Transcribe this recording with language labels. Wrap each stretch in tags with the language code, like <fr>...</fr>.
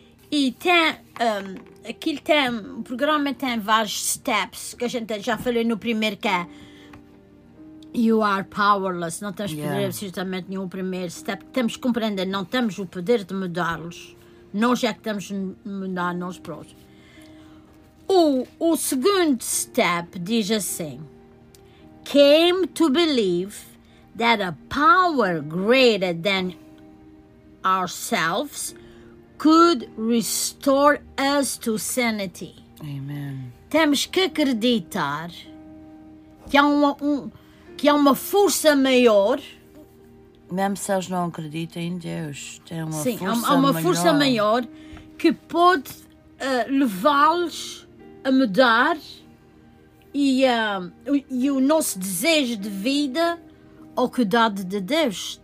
<pt>E tem, aquilo tem, o programa tem vários steps, que a gente já falou no primeiro, que é you are powerless, não temos poder absolutamente nenhum. Primeiro step, temos que compreender, não temos o poder de mudá-los. Nós é que temos de mudar nós próprios.</pt> <en>O segundo step diz assim: came to believe that a power greater than ourselves could restore us to sanity.</en> <pt>Amen. Temos que acreditar que há que há uma força maior. Mesmo se eles não acreditam em Deus, tem uma força maior que pode levá-los a mudar, e o nosso desejo de vida ou cuidado de Deus.</pt>